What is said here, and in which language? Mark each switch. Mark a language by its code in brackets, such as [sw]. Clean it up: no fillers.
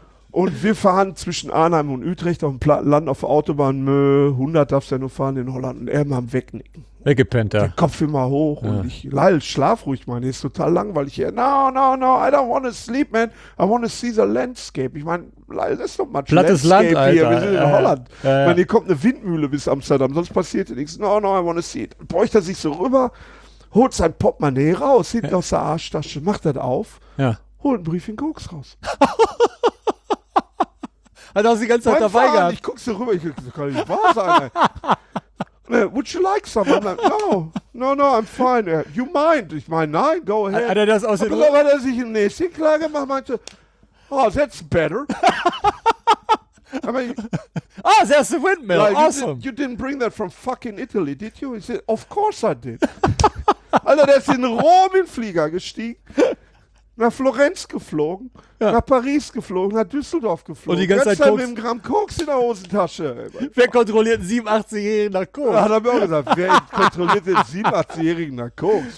[de] Und wir fahren zwischen Arnhem und Utrecht auf dem Plattenland auf der Autobahn. 100 darfst du ja nur fahren in Holland. Und er mal am Wegnicken. Weggepennt, der Kopf immer hoch. Ja. Und ich, Lyle, schlaf ruhig, meine, ist total langweilig hier. [en] No, I don't want to sleep, man. I want to see the landscape. [de] Ich meine, Lyle, das ist doch mal plattes [en] Landscape [de] Land, hier. Alter. Wir sind in Holland. Ich meine, hier kommt eine Windmühle bis Amsterdam. Sonst passiert hier nichts. [en] No, I want to see it. [de] Bräucht er sich so rüber, holt sein Portemonnaie raus, hinten aus der Arschtasche, macht das auf, holt einen Brief in Koks raus. Hat auch die ganze Zeit dabei gehabt. Ich guck so rüber, ich kann nicht wahr sein. [en] Would you like some? I'm like, no, I'm fine. You mind? [de] Ich meine, nein, [en] go ahead. [de] Hat er das aus dem Ruhe? Hat er sich in eine Sinklage gemacht, meinte, [en] oh, that's better. I mean, oh, that's the windmill. Like, awesome. You didn't bring that from fucking Italy, did you? He said, of course I did. [de] Alter, der ist in Rom in den Flieger gestiegen, nach Florenz geflogen, ja, nach Paris geflogen, nach Düsseldorf geflogen. Und die ganze Zeit mit einem Gramm Koks in der Hosentasche. Wer kontrolliert einen 87-Jährigen nach Koks? Da hat er mir auch gesagt, wer kontrolliert den 87-Jährigen nach Koks?